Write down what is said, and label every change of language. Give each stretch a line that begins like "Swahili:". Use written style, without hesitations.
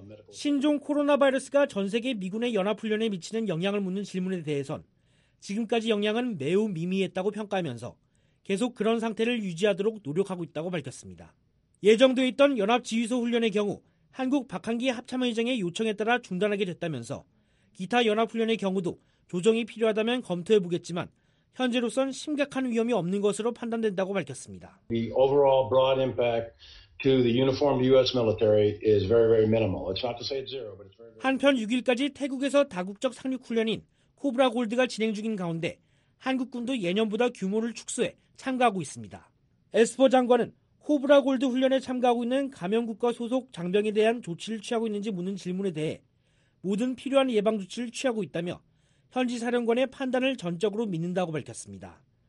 Korean: 신종 코로나 바이러스가 전 세계 미군의 연합훈련에 미치는 영향을 묻는 질문에 대해선 지금까지 영향은 매우 미미했다고 평가하면서 계속 그런 상태를 유지하도록 노력하고 있다고 밝혔습니다. 예정돼 있던 연합지휘소 훈련의 경우 한국 박한기 합참의장의 요청에 따라 중단하게 됐다면서 기타 연합훈련의 경우도 조정이 필요하다면 검토해보겠지만 현재로선 심각한 위험이 없는 것으로 판단된다고 밝혔습니다.
English: The overall broad impact to the uniformed U.S. military is very, very minimal. It's not to say it's zero, but it's very, very.
Korean: 한편 6일까지 태국에서 다국적 상륙 훈련인 코브라 골드가 진행 중인 가운데 한국군도 예년보다 규모를 축소해 참가하고 있습니다. 에스퍼 장관은 코브라 골드 훈련에 참가하고 있는 감염 국가 소속 장병에 대한 조치를 취하고 있는지 묻는 질문에 대해 모든 필요한 예방 조치를 취하고 있다며 현지 사령관의 판단을 전적으로 믿는다고 밝혔습니다.